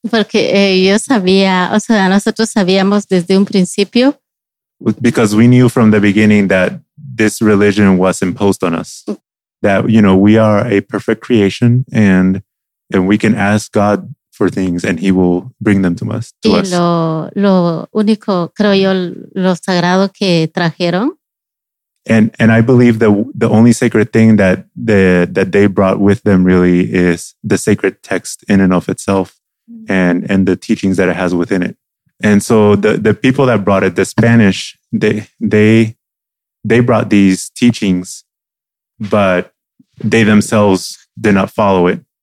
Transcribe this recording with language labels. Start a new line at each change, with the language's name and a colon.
Spanish: Porque yo sabía, o sea, nosotros sabíamos desde un principio.
English: Because we knew from the beginning that this religion was imposed on us. That, you know, we are a perfect creation, and we can ask God for things and he will bring them to us.
Spanish: Lo único, creo yo, lo sagrado que trajeron.
English: And I believe the only sacred thing that they brought with them really is the sacred text in and of itself, and the teachings that it has within it. And so the people that brought it, the Spanish, they brought these teachings, but they themselves did not follow it.